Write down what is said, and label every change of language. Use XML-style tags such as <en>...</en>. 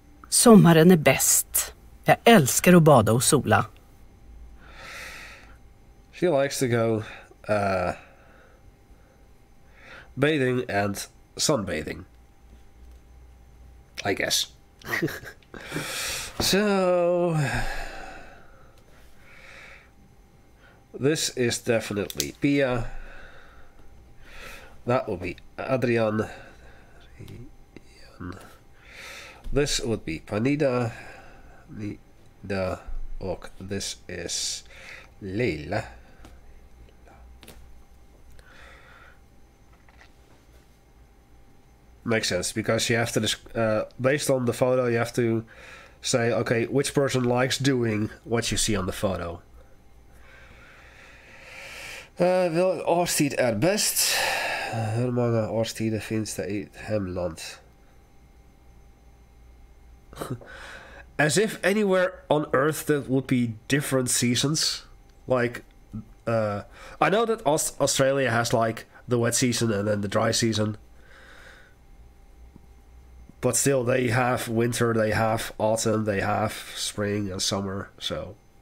<sv>Sommaren är bäst. Jag älskar att bada och sola.</sv> <en>She likes to go bathing and sunbathing, I guess. So this is definitely Pia. That would be Adrian. This would be Panida. Nida. Och this is Leila. Makes sense, because you have to, based on the photo, you have to say, okay, which person likes doing what you see on the photo.</en> <sv>Vilken årstid är bäst? Hur många årstider finns det i hemland?</sv> <en>As if anywhere on earth there would be different seasons. Like, I know that Australia has like the wet season and then the dry season. But still, they have winter, they have autumn, they have spring and summer, so.</en>